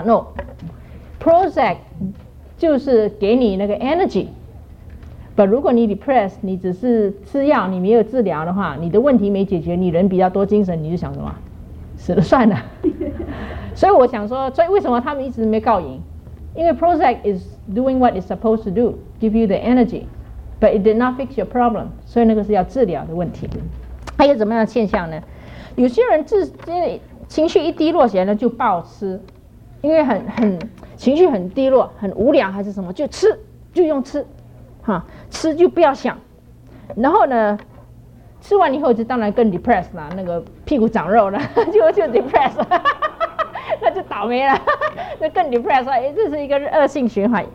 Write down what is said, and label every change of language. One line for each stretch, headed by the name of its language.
Chinese: No， Prozac 就是给你那个 energy， but 如果你 depressed， 你只是吃药，你没有治疗的话，你的问题没解决，你人比较多精神，你就想什么，死了算了。所以我想说，所以为什么他们一直没告赢？因为
English: Prozac is doing what it's supposed to do， give you the energy。 But it did not fix your problem，
Chinese: 所以那个是要治疗的问题。还有怎么样的现象呢？有些人情绪一低落起来呢，就暴吃，因为很情绪很低落，很无聊还是什么，就吃，就用吃，哈，吃就不要想。然后呢，吃完以后就当然更 depressed 啦，那个屁股长肉了，就 depressed， 那就倒霉了，那更 depressed 了，这是一个恶性循环。